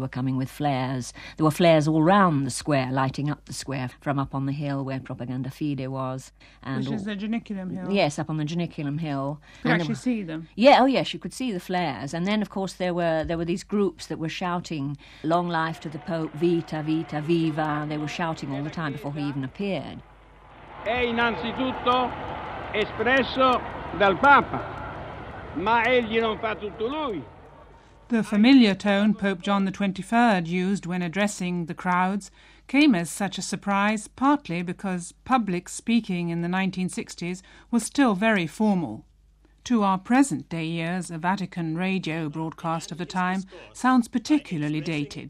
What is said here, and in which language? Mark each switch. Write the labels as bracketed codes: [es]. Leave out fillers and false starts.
[en] They were coming with flares. There were flares all round the square, lighting up the square from up on the hill where Propaganda Fide was. And which is the Janiculum Hill. Yes, up on the Janiculum Hill. Could you actually see them? Yeah, oh yes, you could see the flares. And then, of course, there were these groups that were shouting, long life to the Pope, [it] vita, vita, viva. [en] They were shouting all the time before he even appeared. [it] È innanzitutto espresso dal Papa, ma egli non fa tutto lui. [en] The familiar tone Pope John the 23rd used when addressing the crowds came as such a surprise, partly because public speaking in the 1960s was still very formal. To our present day ears, a Vatican radio broadcast of the time sounds particularly dated.